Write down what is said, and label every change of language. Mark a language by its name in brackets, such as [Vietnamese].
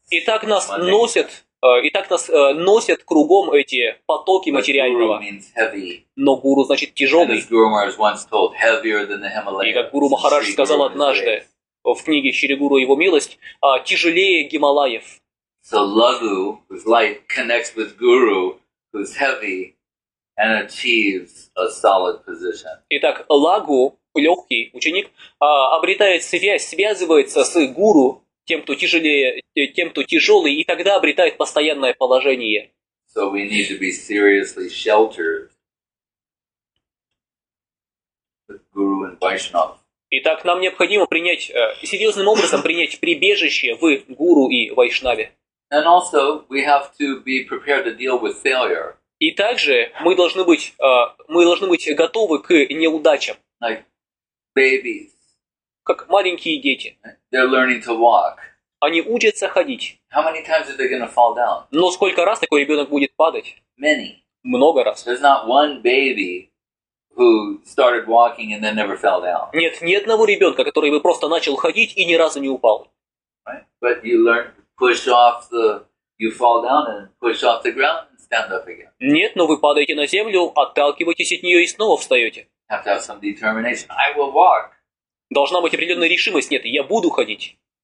[Russian] И так нас носят, носят кругом эти потоки [English] But [Russian] материального. Но гуру значит тяжелый. [English] Guru Maharaj once told, heavier than the Himalayas. [Russian] И как гуру Махарадж сказал однажды, в книге Шригуру его милость, тяжелее Гималаев. [English] So lagu, who's light, connects with guru, who's heavy, and achieves a solid position. [Russian] Итак, лагу легкий ученик обретает связь, связывается с гуру, тем, кто тяжелее, тем, кто тяжелый, и тогда обретает постоянное положение. [English] So we need to be seriously sheltered with guru and Vaishnava. [Russian] Итак, нам необходимо принять серьезным образом принять прибежище в гуру и Вайшнаве. [English] And also we have to be prepared to deal with failure. [Russian] И также мы должны быть готовы к неудачам. [English] Like babies. [Russian] Как маленькие дети. [English] They're learning to walk. [Russian] Они учатся ходить. [English] How many times are they going to fall down? [Russian] Но сколько раз такой ребенок будет падать? [English] Many. [Russian] Много раз. [English] There's not one baby who started walking and then never fell down. [Russian] Нет ни одного ребенка, который бы просто начал ходить и ни разу не упал. [English] Right? But you learn to push off the, you fall down and push off the ground and stand up again. [Russian] Нет, но вы падаете на землю, отталкиваетесь от нее и снова встаете. [English] Have to have some determination. I will walk. [Russian] Должна быть определенная решимость. Нет, я буду ходить.